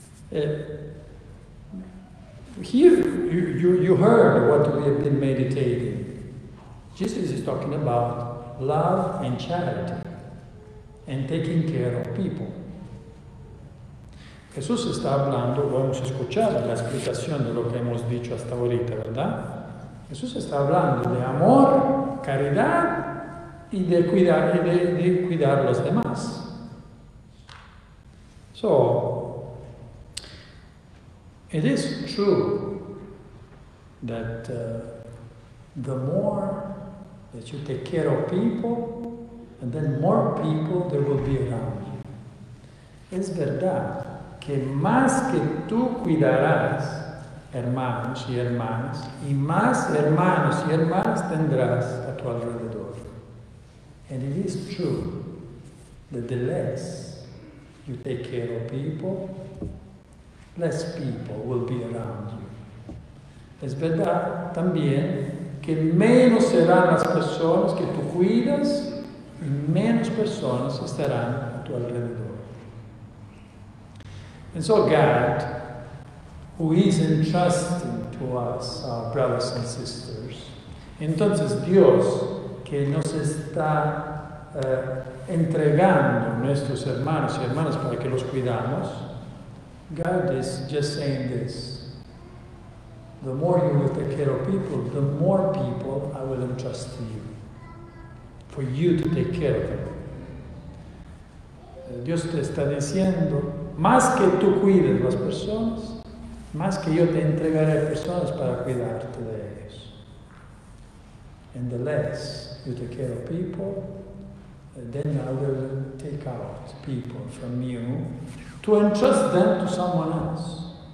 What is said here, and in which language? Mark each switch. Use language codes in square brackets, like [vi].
[en] Here you heard what we have been meditating. Jesus is talking about love and charity and taking care of people. [es] Jesús está hablando, vamos a escuchar la explicación de lo que hemos dicho hasta ahorita, ¿verdad? Jesús está hablando de amor, caridad y de cuidar a los demás. [en] So, it is true that the more that you take care of people, and then more people there will be around you. [es] Es verdad que más que tú cuidarás hermanos y hermanas, y más hermanos y hermanas tendrás a tu alrededor. [en] And it is true that the less you take care of people, less people will be around you. [es] Es verdad también que menos serán las personas que tú cuidas y menos personas estarán a tu alrededor. [en] And so God, who is entrusting to us, our brothers and sisters, [es] entonces Dios, que nos está entregando nuestros hermanos y hermanas para que los cuidamos, [en] God is just saying this: the more you will take care of people, the more people I will entrust to you, for you to take care of them. [es] Dios te está diciendo, más que tú cuides las personas, más que yo te entregaré personas para cuidarte de ellos. [en] And the less you take care of people, then I will take out people from you to entrust them to someone else.